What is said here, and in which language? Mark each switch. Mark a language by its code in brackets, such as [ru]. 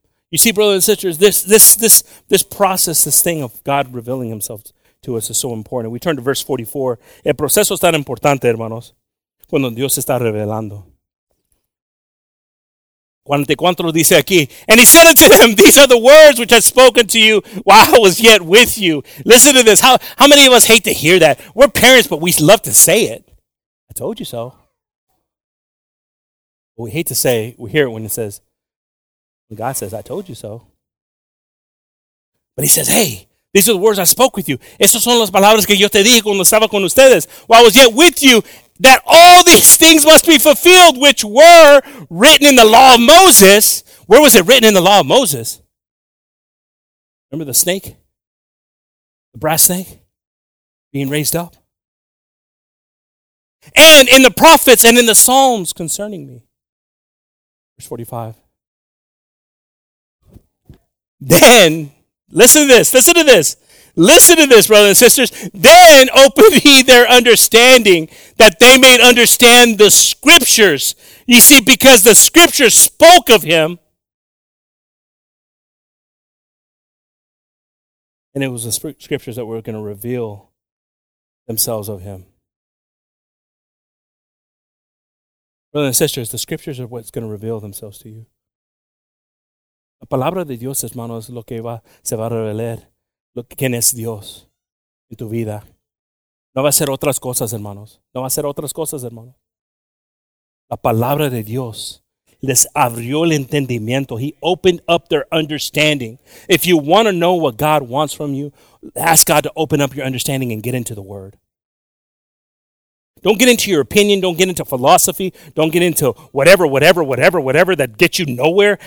[en] You see, brothers and sisters, this process, this thing of God revealing himself to us is so important. We turn to verse 44. [es] El proceso es tan importante, hermanos, cuando Dios está revelando. [en] 44 [es] dice aquí, [en] and he said unto them, these are the words which I have spoken to you while I was yet with you. Listen to this. How many of us hate to hear that? We're parents, but we love to say it. I told you so. But we hate to say, we hear it when it says, when God says, I told you so. But he says, hey, these are the words I spoke with you. [es] Esas son las palabras que yo te dije cuando estaba con ustedes. [en] While I was yet with you, that all these things must be fulfilled, which were written in the law of Moses. Where was it written in the law of Moses? Remember the snake? The brass snake? Being raised up? And in the prophets and in the Psalms concerning me. Verse 45. Then, listen to this, brothers and sisters. Then opened he their understanding that they may understand the scriptures. You see, because the scriptures spoke of him. And it was the scriptures that were going to reveal themselves of him. Brothers and sisters, the scriptures are what's going to reveal themselves to you. [es] La palabra de Dios, hermanos, es lo que se va a revelar. ¿Quién es Dios en tu vida? No va a ser otras cosas, hermanos. No va a ser otras cosas, hermanos. La palabra de Dios les abrió el entendimiento. [en] He opened up their understanding. If you want to know what God wants from you, ask God to open up your understanding and get into the Word. Don't get into your opinion. Don't get into philosophy. Don't get into whatever that gets you nowhere.